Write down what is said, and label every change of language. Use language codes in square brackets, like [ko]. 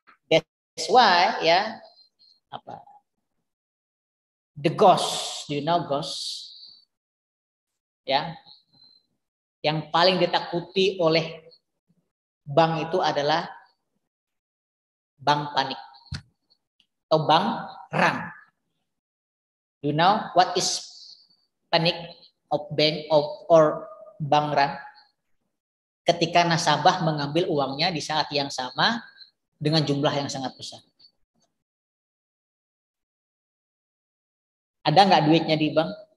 [en] That's why ya apa? The ghost, do you know ghost? Ya. [id] Yang paling ditakuti oleh bank itu adalah bank panik atau bank run. [en] Do you know what is panic of bank of or bank run? [id] Ketika nasabah mengambil uangnya di saat yang sama dengan jumlah yang sangat besar. Ada nggak duitnya di bank?